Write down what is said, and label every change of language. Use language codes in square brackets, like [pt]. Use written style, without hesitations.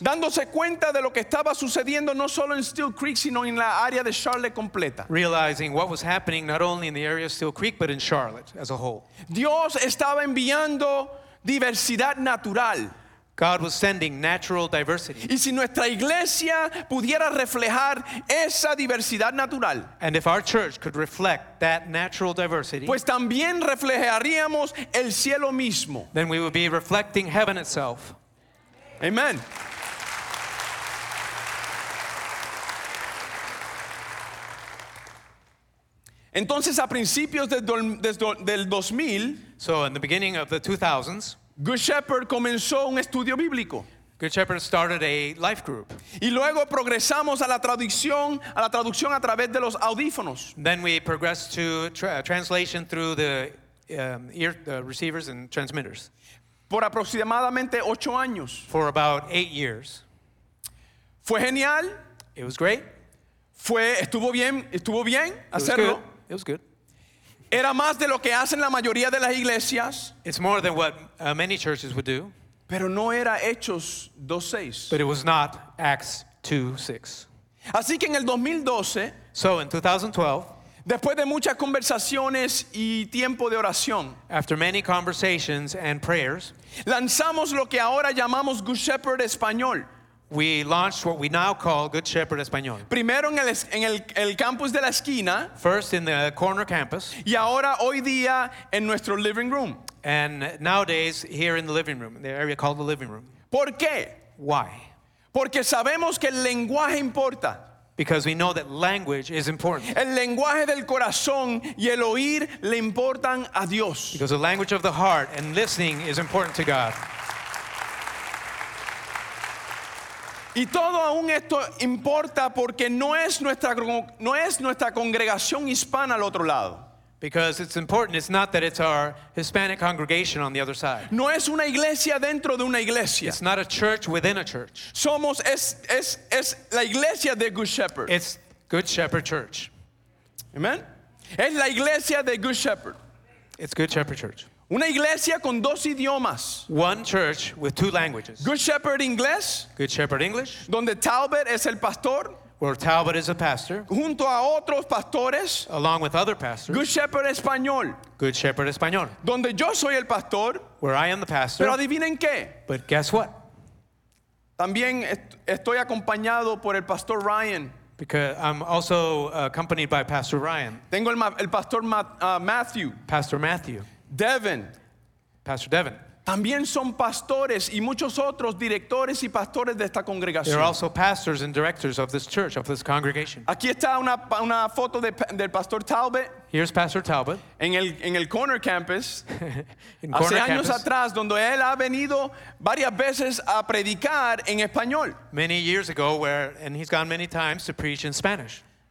[es] Dándose cuenta de lo que estaba sucediendo no solo en Steel Creek sino en la área de Charlotte completa. [en] Realizing what was happening not only in the area of Steel Creek but in Charlotte as a whole. [es] Dios estaba enviando diversidad natural. [en] God was sending natural diversity. [es] Y si nuestra iglesia pudiera reflejar esa diversidad natural, [en] and if our church could reflect that natural diversity, [es] pues también reflejaríamos el cielo mismo. [en] Then we would be reflecting heaven itself. Amen. [es] Entonces, a principios del 2000, [en] so in the beginning of the 2000s, [es] Good Shepherd comenzó un estudio bíblico. [en] Good Shepherd started a life group. [es] Y luego progresamos a la traducción a través de los audífonos. [en] Then we progressed to translation through the receivers and transmitters. [es] Por aproximadamente 8 años. [en] For about 8 years. [es] Fue genial. [en] It was great. [es] Estuvo bien hacerlo. [en] It was good. [es] Era más de lo que hacen la mayoría de las iglesias. [en] It's more than what many churches would do. [es] Pero no era Hechos 2:6. [en] But it was not Acts 2:6. [es] Así que en el 2012, [en] so in 2012, [es] después de muchas conversaciones y tiempo de oración, [en] after many conversations and prayers, [es] lanzamos lo que ahora llamamos Good Shepherd Español. [en] We launched what we now call Good Shepherd Español. [es] Primero en el campus de la esquina. [en] First in the corner campus. [es] Y ahora hoy día en nuestro [en] living room. And nowadays here in the living room, the area called the living room. [es] ¿Por qué? [en] Why? [es] Porque sabemos que el lenguaje importa. [en] Because we know that language is important. [es] El lenguaje del corazón y el oír le importan a Dios. [en] Because the language of the heart and listening is important to God. [es] Y todo aún esto importa porque no es nuestra congregación hispana al otro lado. [en] Because it's important, it's not that it's our Hispanic congregation on the other side. [es] No es una iglesia dentro de una iglesia. [en] It's not a church within a church. [es] Somos es la iglesia de Good Shepherd. [en] It's Good Shepherd Church. [es] Amen. Es la iglesia de Good Shepherd. [en] It's Good Shepherd Church. [es] Una iglesia con dos idiomas. [en] One church with two languages. [es] Good Shepherd Inglés. [en] Good Shepherd English. [es] Donde Talbot es el pastor. [en] Where Talbot is a pastor. [es] Junto a otros pastores. [en] Along with other pastors. [es] Good Shepherd Español. [en] Good Shepherd Español. [es] Donde yo soy el pastor. [en] Where I am the pastor. [es] Pero adivinen qué. [en] But guess what? [es] También estoy acompañado por el pastor Ryan. [en] Because I'm also accompanied by Pastor Ryan. [es] Tengo el pastor Matthew. [en] Pastor Matthew. [es] Devin, [en] Pastor Devin. [es] También son pastores y muchos otros directores y pastores de esta congregación. [en] They're also pastors and directors of this church, of this congregation. [es] Aquí está una foto del Pastor Talbot. [en] Here's Pastor Talbot. [es] En el Corner Campus. [en] In Corner [es] hace años [en] Campus. [es] Atrás, donde él ha venido varias veces a predicar en español. [en] Many years ago, where and he's gone many times to preach in Spanish.